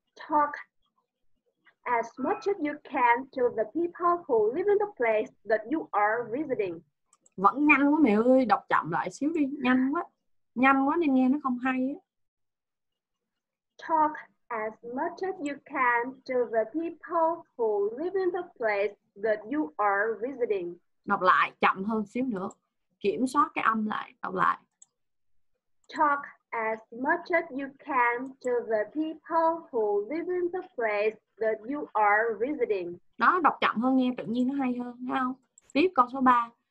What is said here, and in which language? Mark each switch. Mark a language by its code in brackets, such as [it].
[en] Talk as much as you can to the people who live in the place that you are visiting. [vi] Vẫn nhanh quá mẹ ơi, đọc chậm lại xíu đi, nhanh quá. Nhanh quá nên nghe nó không hay á. [en] Talk as much as you can to the people who live in the place that you are visiting. [vi] Đọc lại chậm hơn xíu nữa. Kiểm soát cái âm lại, đọc lại. [en] Talk as much as you can to the people who live in the place that you are visiting. [vi] Đó, đọc chậm hơn nghe tự nhiên nó hay hơn, thấy không? Tiếp câu số 3.